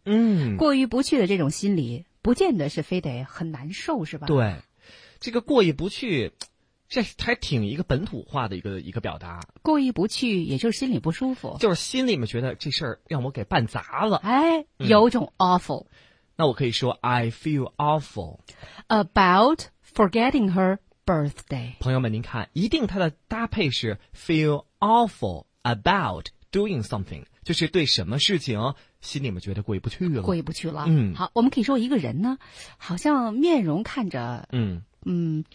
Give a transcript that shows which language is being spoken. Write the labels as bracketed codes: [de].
[zh] 嗯。过意不去的这种心理，不见得是非得很难受，是吧？对，这个过意不去。这还挺一个本土化的一个表达，过意不去，也就是心里不舒服，就是心里面觉得这事儿让我给办砸了，哎，有种 awful、嗯、 [en] 那我可以说 I feel awful about forgetting her birthday。 [zh] 朋友们您看，一定它的搭配是 [en] feel awful about doing something, [zh] 就是对什么事情心里面觉得过意不去了，过意不去了，嗯，好，我们可以说一个人呢好像面容看着嗯，